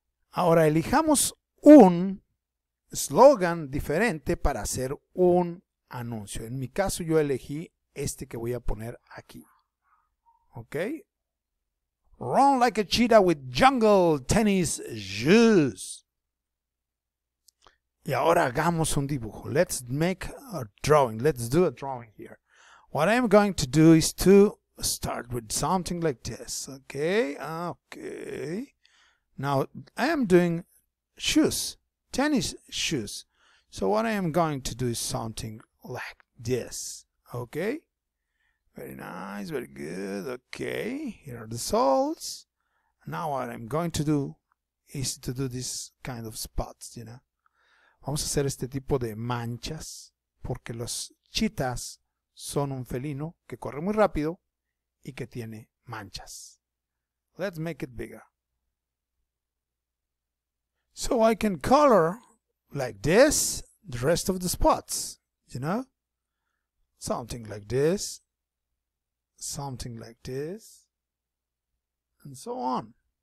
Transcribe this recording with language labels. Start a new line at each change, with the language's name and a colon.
Spanish: Ahora elijamos un slogan diferente para hacer un anuncio. En mi caso yo elegí este que voy a poner aquí. ¿Ok?
English: Run like a cheetah with jungle tennis shoes.
Spanish: Y ahora hagamos un dibujo.
English: Let's make a drawing. Let's do a drawing here. What I'm going to do is to start with something like this. ¿Ok? ¿Ok? Now, I am doing shoes, tennis shoes. So what I am going to do is something like this. Okay? Very nice, very good. Okay, here are the soles. Now what I'm going to do is to do this kind of spots, you know.
Spanish: Vamos a hacer este tipo de manchas porque los cheetahs son un felino que corre muy rápido y que tiene manchas.
English: Let's make it bigger. So I can color like this the rest of the spots, you know, something like this, and so on.